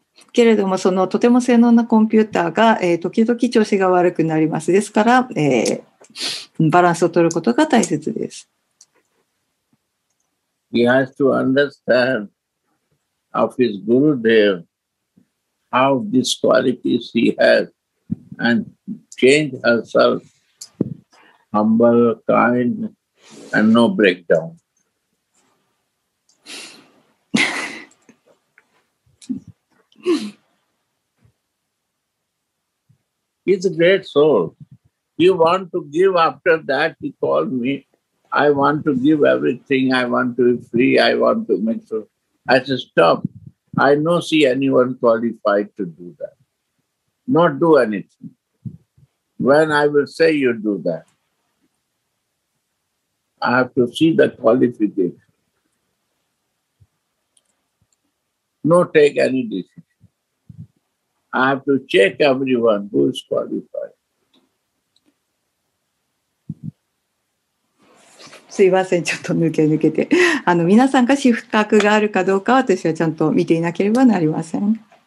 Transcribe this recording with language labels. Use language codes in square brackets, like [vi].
[ja] けれどもそのとても性能なコンピューターが、時々調子が悪くなります。ですから、バランスを取ることが大切です。 [en] He has to understand of his guru there how these qualities he has and change herself humble, kind and no breakdown. He's a great soul. You want to give after that, he called me. I want to give everything. I want to be free. I want to make sure. I said, stop. I don't see anyone qualified to do that. Not do anything. When I will say you do that, I have to see the qualification. No take any decision. I have to check everyone who is qualified. [ja] すいません、ちょっと抜けて。皆さんが資格があるかどうか、私はちゃんと見ていなければなりません。